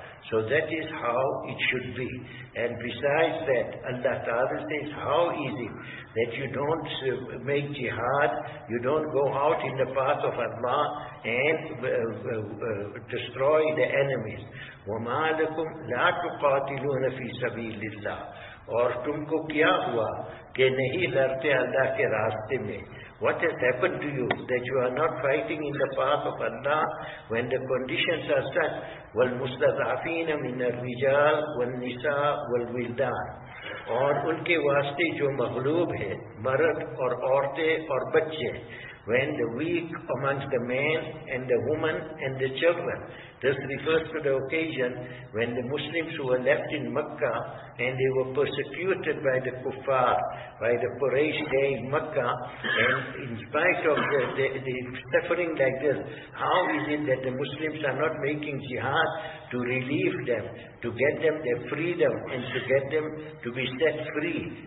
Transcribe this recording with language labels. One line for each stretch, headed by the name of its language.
English: So that is how it should be. And besides that, Allah Ta'ala says, how is it that you don't make jihad, you don't go out in the path of Allah and destroy the enemies?
Arabic: وَمَا لَكُمْ لَا تُقَاتِلُونَ فِي سَبِيلِ اللَّهِ.
Urdu: اور تم کو کیا ہوا کہ نہیں لڑتے اللہ کے راستے میں.
English: What has happened to you that you are not fighting in the path of Allah when the conditions are such?
Arabic: والمستضعفين من الرجال والنساء والولدان.
Urdu: اور ان کے واسطے جو مغلوب ہیں مرد اور عورتیں اور بچے.
English: When the weak amongst the men and the women and the children. This refers to the occasion when the Muslims who were left in Mecca and they were persecuted by the Kuffar, by the Quraysh day in Mecca, and in spite of the suffering like this, how is it that the Muslims are not making jihad to relieve them, to get them their freedom and to get them to be set free?